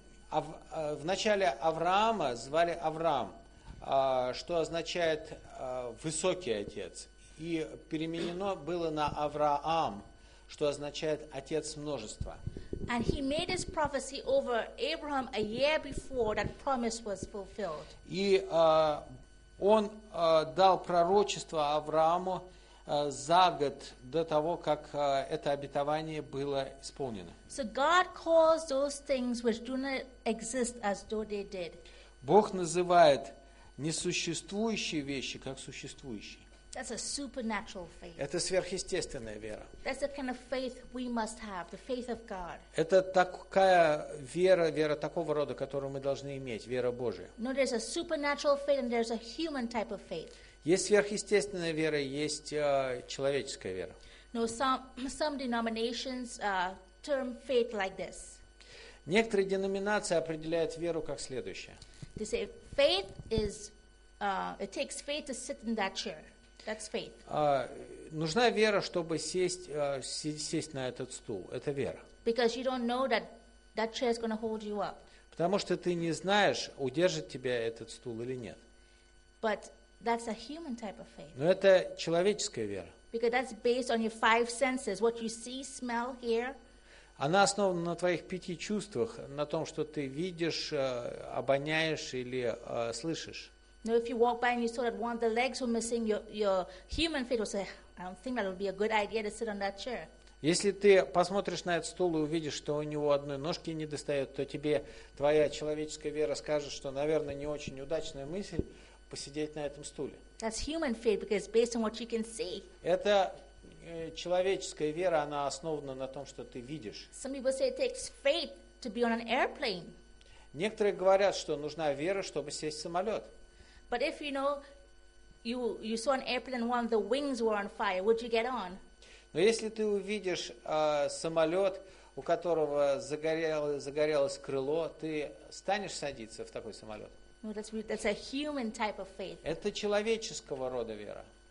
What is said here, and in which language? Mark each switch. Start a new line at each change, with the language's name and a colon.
Russian: В начале Авраама звали Авраам, что означает высокий отец, и переменено было на Авраам, что означает отец множества.
English: And he made his prophecy over Abraham a year before that promise was fulfilled.
Russian: И он дал пророчество Аврааму за год до того, как это обетование было исполнено.
English: So God calls those things which do not exist as though they did.
Russian: Бог называет несуществующие вещи как существующие.
English: That's a supernatural faith.
Russian: Это сверхъестественная вера.
English: That's the kind of faith we must have, the faith of God.
Russian: Это такая вера, вера такого рода, которую мы должны иметь, вера Божия.
English: No, there's a supernatural faith and there's a human type of faith.
Russian: Есть сверхъестественная вера, есть человеческая вера.
English: No, some denominations term faith like this.
Russian: Некоторые деноминации определяют веру как следующее.
English: They say faith is it takes faith to sit in that chair. That's faith.
Russian: нужна вера, чтобы сесть на этот стул. Это вера.
English: Because you don't know that that chair is going to hold you up.
Russian: Потому что ты не знаешь, удержит тебя этот стул или нет.
English: But that's a human type of faith.
Russian: Но это человеческая вера.
English: Because that's based on your five senses, what you see, smell, hear.
Russian: Она основана на твоих пяти чувствах, на том, что ты видишь, обоняешь или слышишь.
English: Now, if you walk by and you saw that one of the legs was missing, your human faith will say, "I don't think that would be a good idea to sit on that chair."
Russian: Если ты посмотришь на этот стул и увидишь, что у него одной ножки не достает, то тебе твоя человеческая вера скажет, что, наверное, не очень удачная мысль посидеть на этом стуле.
English: That's human faith because it's based on what you can see.
Russian: Это человеческая вера, она основана на том, что ты видишь.
English: Some people say it takes faith to be on an airplane.
Russian: Некоторые говорят, что нужна вера, чтобы сесть в самолет.
English: But if you know you saw an airplane and one of the wings were on fire, would you get on?
Russian: Но если ты увидишь самолет, у которого загорелось крыло, ты станешь садиться в такой самолет?
English: No, that's a human type of faith.
Russian: Это человеческого рода вера.